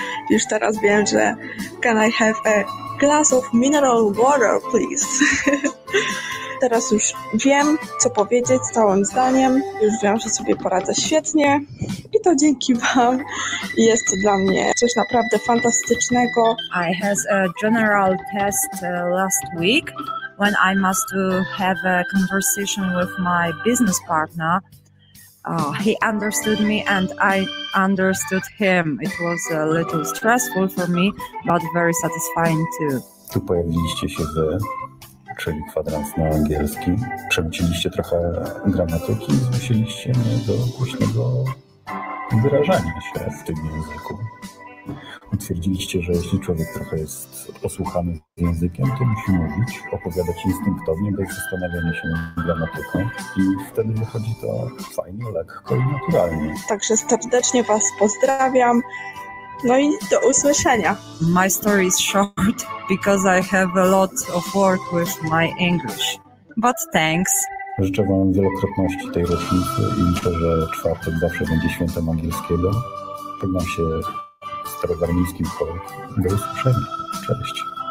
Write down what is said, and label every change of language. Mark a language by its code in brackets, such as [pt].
[pl] Już teraz wiem, że [en] can I have a glass of mineral water, please? [pl] Teraz już wiem, co powiedzieć całym zdaniem. Już wiem, że sobie poradzę świetnie. I to dzięki wam. Jest to dla mnie coś naprawdę fantastycznego. [en] I had a general test last week when I must have a conversation with my business partner. He understood me and I understood him. It was a little stressful for me, but very satisfying too. [pl] Tu pojawiliście się wy, czyli kwadrans na angielski. Przemyciliście trochę gramatyki i zmusiliście mnie do głośnego wyrażania się w tym języku. Utwierdziliście, że jeśli człowiek trochę jest osłuchany językiem, to musi mówić, opowiadać instynktownie, bez zastanawiania się gramatyką i wtedy wychodzi to fajnie, lekko i naturalnie. Także serdecznie was pozdrawiam. No i do usłyszenia. [en] My story is short because I have a lot of work with my English. But thanks. [pl] Życzę wam wielokrotności tej rocznicy i myślę, że czwartek zawsze będzie świętem angielskiego. Pognam się starogarmińskim kolek. Do usłyszenia. Cześć.